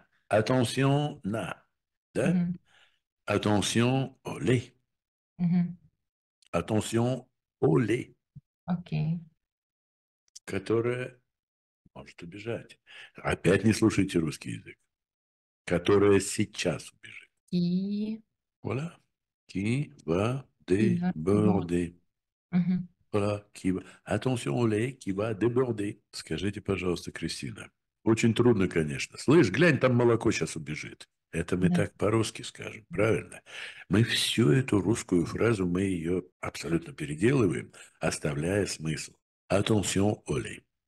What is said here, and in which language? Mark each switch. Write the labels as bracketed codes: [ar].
[fr] Attention [ru] на, да? [fr] Attention au lait. Attention au lait, [ru] которое может убежать. Опять не слушайте русский язык. Которая сейчас убежит. [fr] Voilà. Qui va Qui va déborder. Voilà. Attention au lait qui va déborder. [ru] Скажите, пожалуйста, Кристина. Очень трудно, конечно. Слышь, глянь, там молоко сейчас убежит. Это мы так по-русски скажем, правильно? Мы всю эту русскую фразу, мы ее абсолютно переделываем, оставляя смысл. [fr] Attention au lait.